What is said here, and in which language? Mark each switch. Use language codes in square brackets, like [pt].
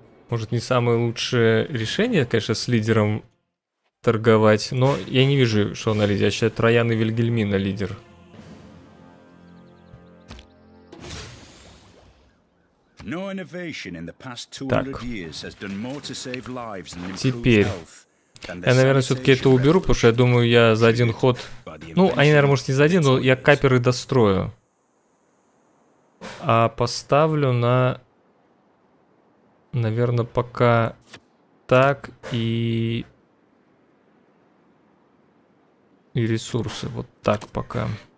[ru] Может, не самое лучшее решение, конечно, с лидером торговать. Но я не вижу, что она лидер. Я считаю, Троян и Вильгельмина лидер. [en] No innovation in the past 200 years has done more to save lives and improve health. [ru] Я, наверное, все-таки это уберу, потому что я думаю, я за один ход. Ну, они, наверное, может, не за один, но я каперы дострою. А поставлю на Наверное, пока так и ресурсы вот так пока.